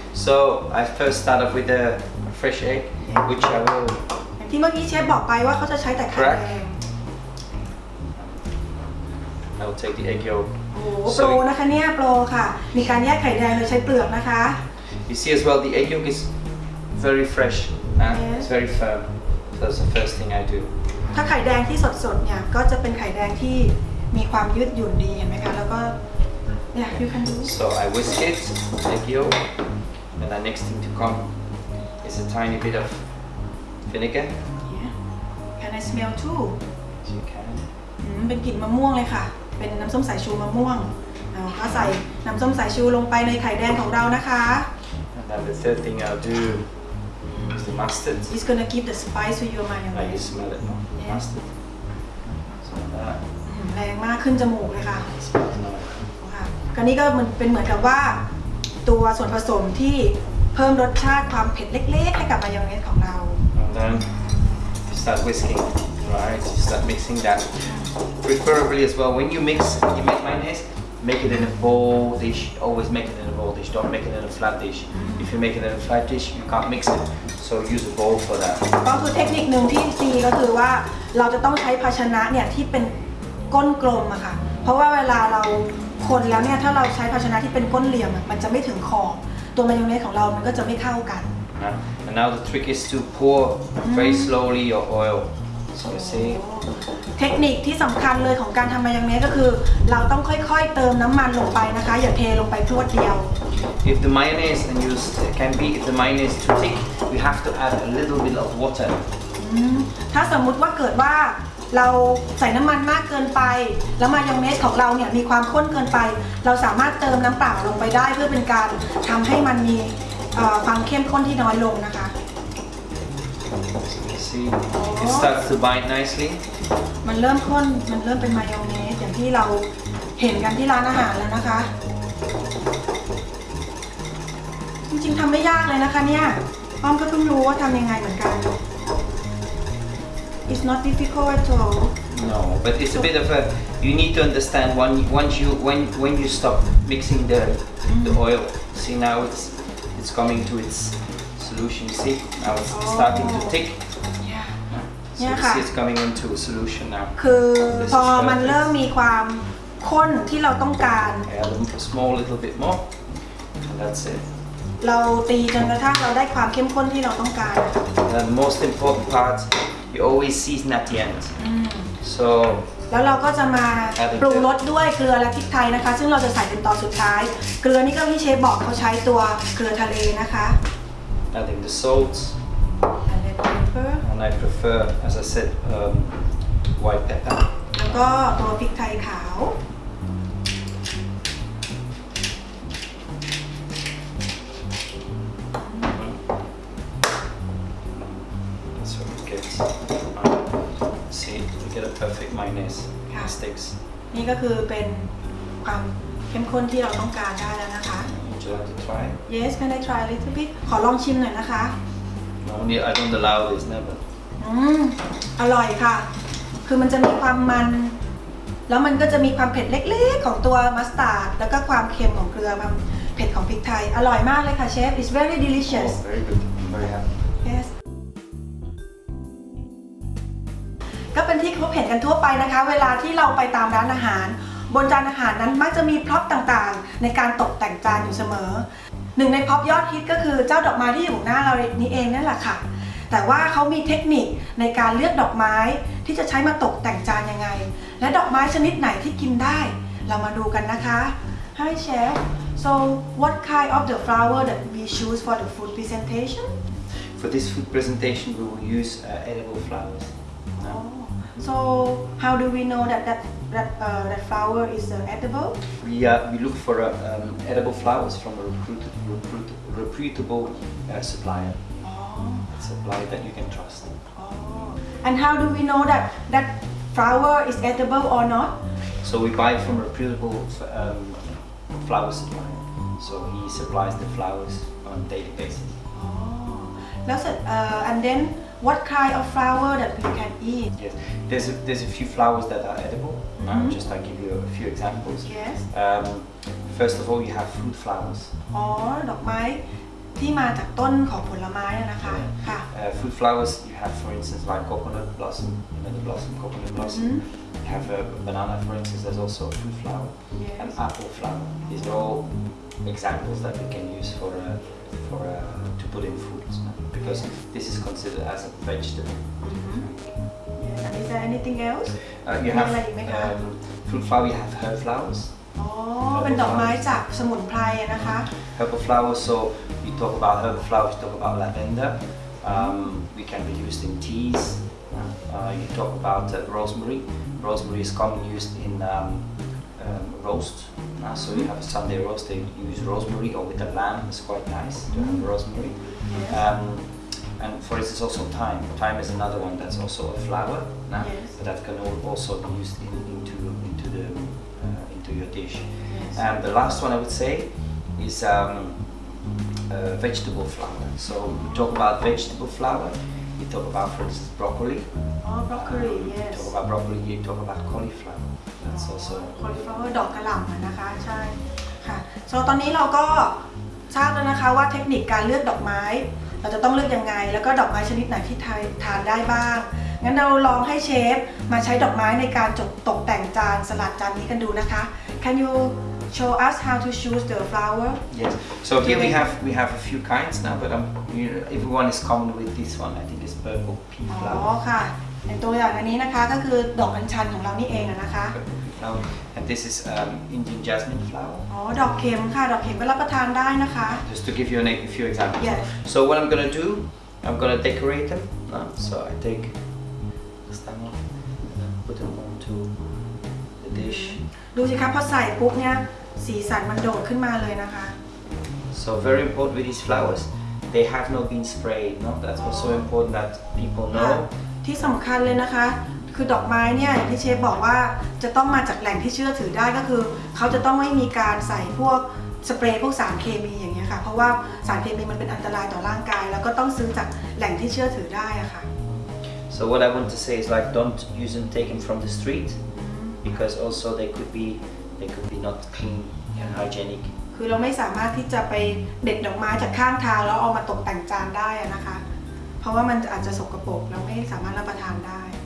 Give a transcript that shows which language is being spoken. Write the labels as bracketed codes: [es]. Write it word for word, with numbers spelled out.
[en] So I first start off with the fresh egg, which I will [th] อย่างที่เมื่อกี้เชฟบอกไปว่าเขาจะใช้แต่ไข่แดง [en] I will take the egg yolk. [th] โอ้โหโปรนะคะเนี่ยโปรค่ะมีการแยกไข่แดงโดยใช้เปลือกนะคะ [en] You see as well the egg yolk is very fresh. Huh? Yes. It's very firm. So that's the first thing I do. [th] ถ้าไข่แดงที่สดๆเนี่ยก็จะเป็นไข่แดงที่มีความยืดหยุ่นดีเห็นไหมคะแล้วก็เนี่ย [en] you can do So I whisk it, egg yolk, and the next thing to come is a tiny bit of vinegar. yeah can I smell too As you can. [th] อืมเป็นกลิ่นมะม่วงเลยค่ะเป็นน้ำส้มสายชูมะม่วงเอาก็ใส่น้ำส้มสายชูลงไปในไข่แดงของเรานะคะ [en] And then the third thing I'll do is the mustard. it's gonna give the spice to your Now you mayonnaise smell it, no? The Yeah. mustard. So that [th] อืมแรงมากขึ้นจมูกเลยค่ะ [en] it smells nice. [th] ค่ะก็นี่ก็มันเป็นเหมือนกับว่า ตัวส่วนผสมที่เพิ่มรสชาติความเผ็ดเล็กๆให้กับมายองเนสของเรา [en] And then you start whisking, right? You start mixing that. Preferably as well, when you mix, you make mayonnaise, make it in a bowl dish. Always make it in a bowl dish. Don't make it in a flat dish. If you make it in a flat dish, you can't mix it. So use a bowl for that. [th] ก็คือเทคนิคหนึ่งที่ดีก็คือว่าเราจะต้องใช้ภาชนะเนี่ยที่เป็นก้นกลมอะค่ะเพราะว่าเวลาเราคนแล้วเนี่ยถ้าเราใช้ภาชนะที่เป็นก้นเหลี่ยมอะมันจะไม่ถึงขอบตัวมายองเนสของเรามันก็จะไม่เข้ากัน [en] huh? And now the trick is to pour very slowly your oil. So you see, [th] เทคนิคที่สำคัญเลยของการทำมายองเนสก็คือ เราต้องค่อยๆเติมน้ำมันลงไปนะคะ อย่าเทลงไปพรวดเดียว [en] if the mayonnaise and you s- can be if the mayonnaise is too thick, you have to add a little bit of water. [th] อืมถ้าสมมุติว่าเกิดว่าเราใส่น้ำมันมากเกินไป แล้วมายองเนสของเราเนี่ยมีความข้นเกินไป เราสามารถเติมน้ำเปล่าลงไปได้เพื่อเป็นการทำให้มันมีเอ่อความเข้มข้นที่น้อยลงนะคะ [en] You see, it starts to bind nicely. [th] มันเริ่มข้นมันเริ่มเป็นมายองเนสอย่างที่เราเห็นกันที่ร้านอาหารแล้วนะคะ จริงๆทำไม่ยากเลยนะคะเนี่ยอ้อมก็เพิ่งรู้ว่าทำยังไงเหมือนกัน [en] It's not difficult at all No, but it's a bit of a. You need to understand when, once you when when you stop mixing the the oil. See now it's it's coming to its solution. You see now it's starting to thick. Yeah. So you ha. see it's coming into a solution now. [th] คือพอมันเริ่มมีความข้นที่เราต้องการ [en] I add a little- small little bit more, and that's it. [th] เราตีจนกระทั่งเราได้ความเข้มข้นที่เราต้องการ [en] And the most important part, you always season at the end. So [th] แล้วเราก็จะมาปรุงรสด้วยเกลือและพริกไทยนะคะ ซึ่งเราจะใส่เป็นตอนสุดท้าย เกลือนี่ก็พี่เชฟบอกเขาใช้ตัวเกลือทะเลนะคะ [en] adding the salt, And red pepper and I prefer, as I said, um, white pepper. [th] แล้วก็ตัวพริกไทยขาว [en] That's what we get. Alright. See, we get a perfect mayonnaise. Yeah. It sticks. [th] นี่ก็คือเป็นความเข้มข้นที่เราต้องการได้แล้วนะคะ [en] Would you like to try it? Yes can I try a little bit [th] ขอลองชิมหน่อยนะคะ [en] Normally I don't allow this, never. [th] อืมอร่อยค่ะ คือมันจะมีความมัน แล้วมันก็จะมีความเผ็ดเล็กๆ ของตัวมัสตาร์ด แล้วก็ความเค็มของเกลือความเผ็ดของพริกไทย อร่อยมากเลยค่ะเชฟ [en] it's very delicious Oh, very good. I'm very happy. yes [th] ก็เป็นที่พบเห็นกันทั่วไปนะคะ เวลาที่เราไปตามร้านอาหาร บนจานอาหารนั้นมักจะมีพร็อพต่างๆ ในการตกแต่งจานอยู่เสมอ หนึ่งในพร็อพยอดฮิตก็คือเจ้าดอกไม้ที่อยู่หน้าเรานี้เองนั่นแหละค่ะ แต่ว่าเขามีเทคนิคในการเลือกดอกไม้ที่จะใช้มาตกแต่งจานยังไง และดอกไม้ชนิดไหนที่กินได้ เรามาดูกันนะคะ [en] Hi chef so what kind of the flower that we choose for the food presentation For this food presentation we will use uh, edible flowers. No? Oh, so how do we know that that that, uh, that flower is uh, edible? We, uh, we look for uh, um, edible flowers from a reput- reput- reputable uh, supplier. Oh, Supplier that you can trust. oh. And how do we know that that flower is edible or not? So we buy from a reputable f- um, flower supplier. So he supplies the flowers on a daily basis. Oh. [th] แล้วเสร็จเอ่อ [en] and then what kind of flower that we can eat? Yes, there's a, there's a few flowers that are edible. I'll just like give you a few examples. Yes. Um, first of all, you have fruit flowers. อ๋อดอกไม้ที่มาจากต้นของผลไม้อะนะคะค่ะ Uh, fruit flowers, you have, for instance, like coconut blossom, you know the blossom, coconut blossom. You have a banana, for instance, there's also a fruit flower. Yes. An apple flower. These are all examples that we can use for uh, for uh, to put in foods, no? Because this is considered as a vegetable. Yes. And is there anything else? Uh, you [th] มีอะไรอีกไหม [en] have [th] คะ [en] um, fruit flower, you have herb flowers. [th] อ๋อเป็นดอกไม้จากสมุนไพรอะนะคะ [en] Herbal flowers, so you talk about herbal flowers, you talk about lavender. Um, we can be used in teas. Uh, you talk about uh, rosemary. Rosemary is commonly used in um, um, roast. Uh, so you have a Sunday roast, they use rosemary, or with a lamb, it's quite nice to have rosemary. Um, and for instance, also thyme. Thyme is another one that's also a flower, uh, Yes. but that can al- also be used in, into into the uh, into your dish. And the last one I would say is um, uh, vegetable flour. So you talk about vegetable flour, you talk about, for instance, broccoli. [th] อ๋อ broccoli [en] You yes talk about broccoli, you talk about cauliflower. That's also. [th] cauliflower ดอกกระหล่ำอะนะคะใช่ค่ะ [en] so [th] ตอนนี้เราก็ทราบแล้วนะคะว่าเทคนิคการเลือกดอกไม้ เราจะต้องเลือกยังไง แล้วก็ดอกไม้ชนิดไหนที่ทานทานได้บ้าง งั้นเราลองให้เชฟมาใช้ดอกไม้ในการจกตกแต่งจานสลัดจานนี้กันดูนะคะ [en] can you show us how to choose the flower Yes. So here we Okay. have we have a few kinds now, but um, you know, everyone is common with this one. I think it's purple pea [th] อ๋อ [en] flower. [th] ค่ะในตัวอย่างอันนี้นะคะก็คือดอกอัญชันของเรานี่เองอะนะคะ [en] Purple pea flower. And this is um, Indian jasmine flower. [th] อ๋อ ดอกเข็มค่ะ ดอกเข็มก็รับประทานได้นะคะ [en] Just to give you an, a few examples. Yes. So what I'm gonna do, I'm gonna decorate them. Uh, so I take this time off, and then put them onto the dish. ดูสิคะพอใส่ปุ๊บเนี่ยสีสันมันโดดขึ้นมาเลยนะคะ So very important with these flowers, they have not been sprayed. No, that's also important that people [th] ค่ะ [en] know. [th] ที่สำคัญเลยนะคะ คือดอกไม้เนี่ยอย่างที่เชฟบอกว่าจะต้องมาจากแหล่งที่เชื่อถือได้ก็คือ เขาจะต้องไม่มีการใส่พวกสเปรย์พวกสารเคมีอย่างเงี้ยค่ะ เพราะว่าสารเคมีมันเป็นอันตรายต่อร่างกาย แล้วก็ต้องซื้อจากแหล่งที่เชื่อถือได้อะค่ะ [en] So what I want to say is like don't use them taken from the street because also they could be they could be not clean and hygienic. [th] คือเราไม่สามารถที่จะไปเด็ดดอกไม้จากข้างทางแล้วเอามาตกแต่งจานได้อะนะคะ เพราะว่ามันอาจจะสกปรกแล้วไม่สามารถรับประทานได้